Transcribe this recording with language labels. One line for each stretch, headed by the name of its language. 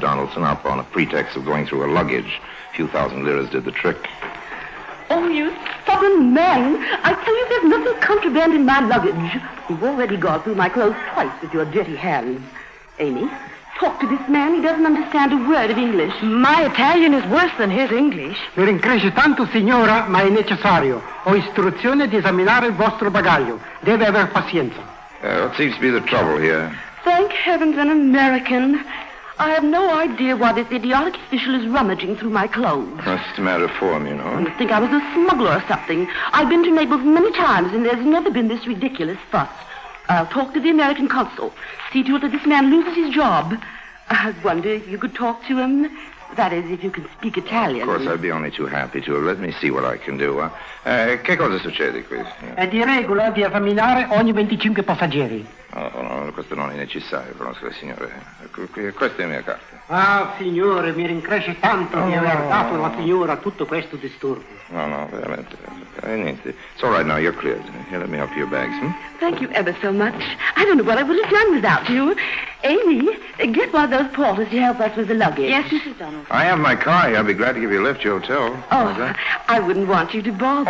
English: Donaldson up on a pretext of going through her luggage. A few thousand liras did the trick. Oh, you stubborn man. I tell you, there's nothing contraband in my luggage. You've already gone through my clothes twice with your dirty hands. Amy... Talk to this man. He doesn't understand a word of English. My Italian is worse than his English.
Italian: Mi ringrazio tanto, signora, ma è necessario. Ho istruzione di esaminare il vostro bagaglio. Deve aver pazienza.
English: What seems to be the trouble here? Thank heavens, an American. I have no idea why this idiotic official is rummaging through my clothes. That's a matter of form, you know. You'd think I was a smuggler or something. I've been to Naples many times, and there's never been this ridiculous fuss. I'll talk to the American consul. See to it that this man loses his job. I wonder if you could talk to him. That is, if you can speak Italian. Of course, I'd be only too happy to. Let me see what I can do.
Italian: Che cosa succede qui? È di regola di esaminare ogni 25 passeggeri. Oh, no, questo non è necessario, conosco il signore. Questa è la mia carta. Ah, signore, mi rincresce tanto di aver dato alla signora tutto questo disturbo. No, no, veramente. Niente.
English: It's all right now, you're cleared. Here, let me help your bags, Thank you ever so much. I don't know what I would have done without you. Amy, get one of those porters to help us with the luggage. Yes, Mrs. Donald. I have my car here. I'd be glad to give you a lift to your hotel. Oh, I wouldn't want you to bother.